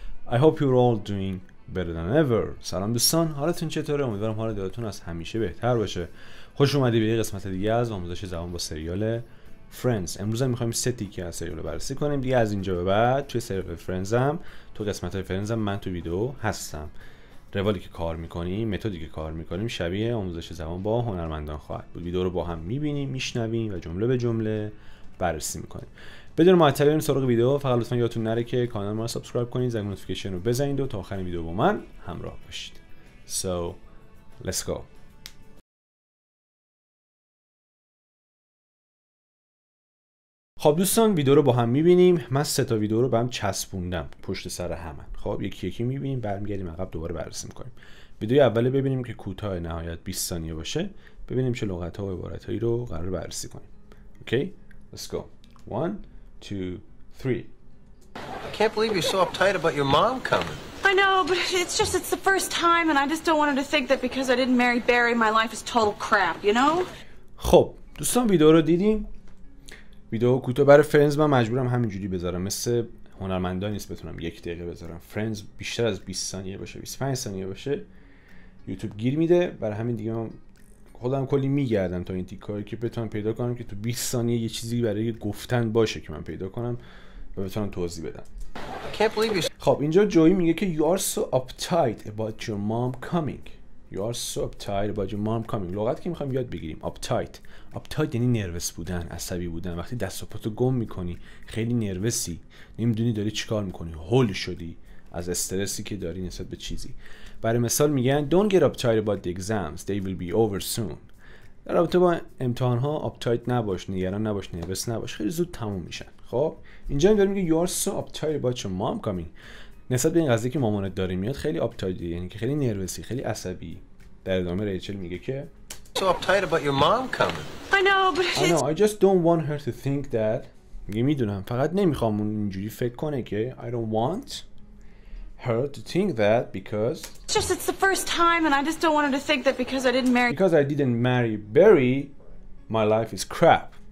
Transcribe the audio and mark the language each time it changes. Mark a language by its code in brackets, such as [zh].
[en] I hope you're all doing better than ever. [fa] سلام دوستان، حالتون چطوره؟ امیدوارم حال دلتون از همیشه بهتر باشه. خوش اومدید به یه قسمت دیگه از آموزش زبان با سریال فرندز. امروز هم می‌خوایم سه تیکه از سریال بررسی کنیم. دیگه از اینجا به بعد توی سریال فرندز هم تو قسمت‌های فرندز هم من تو ویدیو هستم. روالی که کار می‌کنیم، متدی که کار می‌کنیم شبیه آموزش زبان با هنرمندان خواهد بود. ویدیو رو با هم می‌بینیم، می‌شنویم و جمله به جمله بررسی می‌کنیم. بدون معطلی بریم سراغ ویدیو. فقط لطفا یادتون نره که کانال ما رو سابسکرایب کنید، زنگ نوتیفیکیشن رو بزنید و تا آخرین ویدیو با من همراه باشید. [en] So, let's go. [fa] خب دوستان، ویدیو رو با هم می‌بینیم. من سه تا ویدیو رو به هم چسبوندم پشت سر هم. خب یکی یکی می‌بینیم، برمیگردیم عقب دوباره بررسی می‌کنیم. ویدیو اول ببینیم که کوتاه نهایت 20 ثانیه باشه. ببینیم چه لغت‌ها و عبارت‌هایی رو قرار بررسی کنیم. [en] Okay? Let's go. 1 2 3. I can't believe you're so uptight about your mom coming. I know, but it's the first time and I just don't want her to think that because I didn't marry Barry my life is total crap, you know? [fa] خب دوستان، ویدیو رو دیدین؟ ویدیو کوتاه برای فرندز، من مجبورم همینجوری بذارم. مثل هنرمندا نیست بتونم یک دقیقه بذارم. فرندز بیشتر از 20 ثانیه باشه، 25 ثانیه باشه، یوتیوب گیر میده. برای همین دیگه من خودم کلی میگردم تا این تیکایی که بتونم پیدا کنم که تو 20 ثانیه یه چیزی برای گفتن باشه که من پیدا کنم و بتونم توضیح بدم. خب اینجا جویی میگه که [en] You are so uptight about your mom coming. You are so uptight about your mom coming. [fa] لغت که میخوایم یاد بگیریم uptight. Uptight یعنی نروس بودن، عصبی بودن. وقتی دست و پاتو گم میکنی، خیلی نروسی، نمیدونی داری چیکار میکنی، هول شدی از استرسی که داری نسبت به چیزی. برای مثال میگن [en] Don't get uptight about the exams, they will be over soon. [fa] در رابطه با امتحان ها uptight نباش، نگران نباش، نروس نباش، خیلی زود تموم میشن. خب اینجا هم داره میگه [en] You are so uptight about your mom coming. [fa] نسبت به این قضیه که مامانت داره میاد خیلی uptight، یعنی که خیلی نروسی، خیلی عصبی. در ادامه ریچل میگه که [en] So uptight about your mom coming. I know, I just don't want her to think that. [fa] میگه میدونم، فقط نمیخوام اون اینجوری فکر کنه که [en] I don't want her to think that because it's just it's the first time and I just don't want her to think that because I didn't marry Barry my life is crap.